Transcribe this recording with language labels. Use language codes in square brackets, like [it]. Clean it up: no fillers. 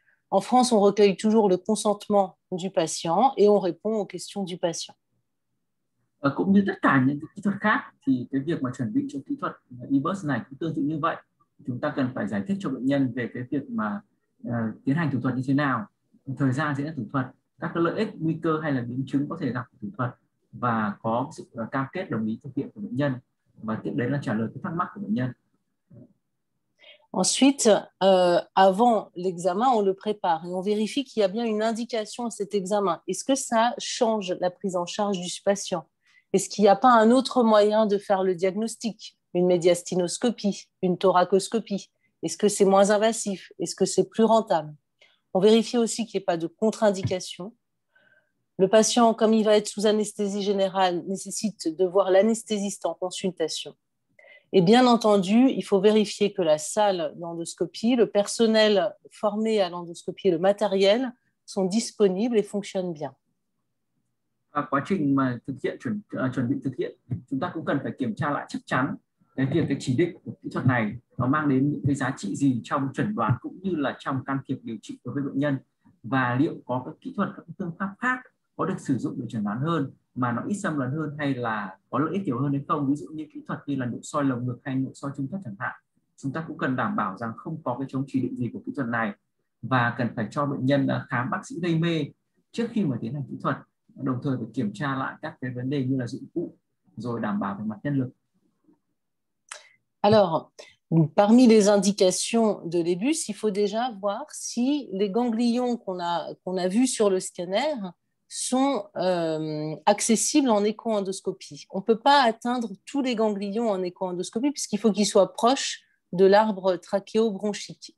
[fr] En France, on recueille toujours le consentement du patient et on répond aux questions du patient. [vi] Cũng như tất cả những kỹ thuật khác thì cái việc mà chuẩn bị cho kỹ thuật eBus này cũng tương tự như vậy. Chúng ta cần phải giải thích cho bệnh nhân về cái việc mà tiến hành thủ thuật như thế nào, thời gian diễn ra thủ thuật, các cái lợi ích, nguy cơ hay là biến chứng có thể gặp thủ thuật và có sự cam kết đồng ý thực hiện của bệnh nhân và tiếp đến là trả lời cái thắc mắc của bệnh nhân. [fr] Ensuite, avant l'examen, on le prépare et on vérifie qu'il y a bien une indication à cet examen. Est-ce que ça change la prise en charge du patient? Est-ce qu'il n'y a pas un autre moyen de faire le diagnostic? Une médiastinoscopie, une thoracoscopie? Est-ce que c'est moins invasif? Est-ce que c'est plus rentable? On vérifie aussi qu'il n'y ait pas de contre-indication. Le patient, comme il va être sous anesthésie générale, nécessite de voir l'anesthésiste en consultation. Et bien entendu, il faut vérifier que la salle d'endoscopie, le personnel formé à l'endoscopie et le matériel sont disponibles et fonctionnent bien. [vi] Và quá trình mà thực hiện chuẩn bị thực hiện chúng ta cũng cần phải kiểm tra lại chắc chắn cái việc cái chỉ định của kỹ thuật này nó mang đến những cái giá trị gì trong chẩn đoán cũng như là trong can thiệp điều trị đối với bệnh nhân và liệu có các kỹ thuật các phương pháp khác có được sử dụng để chẩn đoán hơn mà nó ít xâm lấn hơn hay là có lợi ích nhiều hơn hay không, ví dụ như kỹ thuật như là nội soi lồng ngực hay nội soi trung thất chẳng hạn. Chúng ta cũng cần đảm bảo rằng không có cái chống chỉ định gì của kỹ thuật này và cần phải cho bệnh nhân khám bác sĩ gây mê trước khi mà tiến hành kỹ thuật, đồng thời phải kiểm tra lại các cái vấn đề như là dụng cụ rồi đảm bảo về mặt nhân lực. [fr] Alors, parmi les indications de l'EBUS, il faut déjà voir si les ganglions qu'on a vus sur le scanner sont accessibles en écho-endoscopie. On ne peut pas atteindre tous les ganglions en écho-endoscopie puisqu'il faut qu'ils soient proches de l'arbre trachéobronchique.